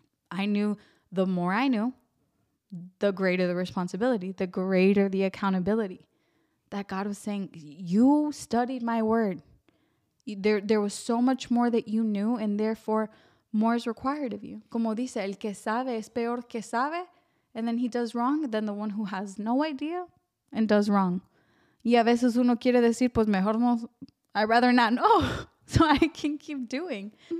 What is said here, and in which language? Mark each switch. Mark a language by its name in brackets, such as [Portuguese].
[English] I knew the more I knew, the greater the responsibility, the greater the accountability. That God was saying, you studied my word. There was so much more that you knew, and therefore more is required of you. [Spanish] Como dice, el que sabe es peor que sabe. [English] And then he does wrong, then the one who has no idea and does wrong. [Spanish] Y a veces uno quiere decir, pues mejor no, I'd rather not know, so I can keep doing.